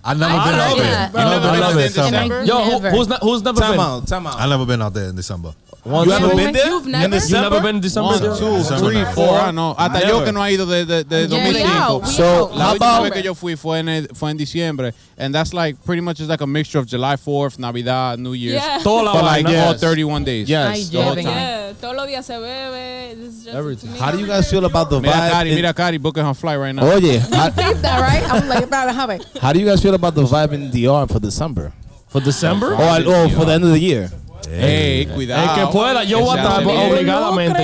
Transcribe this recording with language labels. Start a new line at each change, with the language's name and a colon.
English: I never been out there. Yo, who's never been? Time out. I never been out there in December. You ever been there? You've never? You never been in December? 1, 2, 3, 4.
Spanish: No, hasta yo que no ha ido de 2005.
English: So,
Spanish: la última vez que yo fui fue en diciembre.
English: And that's like, pretty much it's like a mixture of July 4th, Navidad, New Year's. Yeah. For like all 31 days. Yes. The whole time. Yeah.
Spanish: Todos los días se bebe.
English: It's just everything. How do you guys feel about the vibe? Mira, Cari, booking her flight right now.
Spanish: Oye.
English: You think that, right? I'm like, about to have it. How do you guys feel about the vibe in DR for December? For December? Or for the end of the year?
Spanish: Hey, cuidado. El que pueda, yo voy a estar obligadamente.